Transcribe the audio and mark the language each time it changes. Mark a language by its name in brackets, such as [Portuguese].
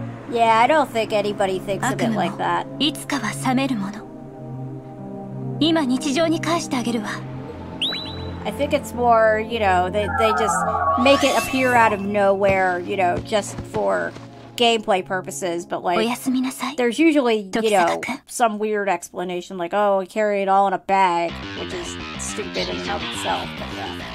[English] Yeah, I don't think anybody thinks of it like that. [Japanese] いつかは覚めるもの。今日常に返してあげるわ。 [English] I think it's more, you know, they just make it appear out of nowhere, you know, just for gameplay purposes, but like, [Japanese] おやすみなさい。 [English] There's usually, you know, some weird explanation like, oh, I carry it all in a bag, which is stupid in and of itself, but yeah.